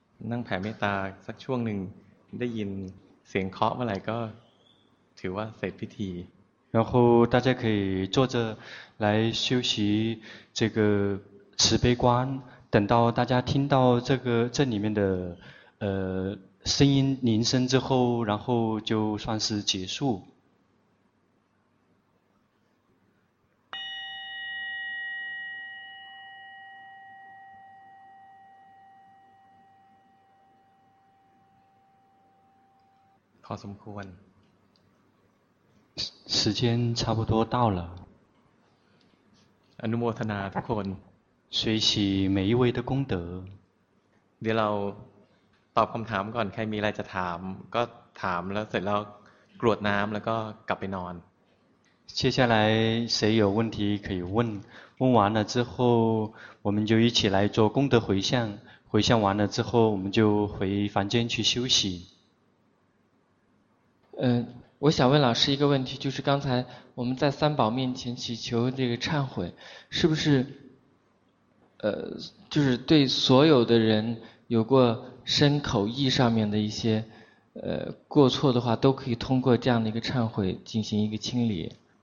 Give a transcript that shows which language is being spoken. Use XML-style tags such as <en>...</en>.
<th>นั่งแผ่เมตตาสักช่วงหนึ่งได้ยินเสียงเคาะเมื่อไหร่ก็ถือว่าเสร็จพิธี</th> <zh>然后大家可以坐着来修习这个慈悲观等到大家听到这个这里面的声音铃声之后然后就算是结束</zh> <th>พอสมควร</th> <zh>时间差不多到了</zh> <th>อนุโมทนาทุกคน</th> <zh>随喜每一位的功德</zh> <th>เดี๋ยวเราตอบคำถามก่อนใครมีอะไรจะถามก็ถามแล้วเสร็จแล้วกรวดน้ำแล้วก็กลับไปนอน</th> <zh>接下来谁有问题可以问问完了之后我们就一起来做功德回向回向完了之后我们就回房间去休息我想问老师一个问题，就是刚才我们在三宝面前祈求这个忏悔，是不是，就是对所有的人有过身口意上面的一些，过错的话，都可以通过这样的一个忏悔进行一个清理。</zh>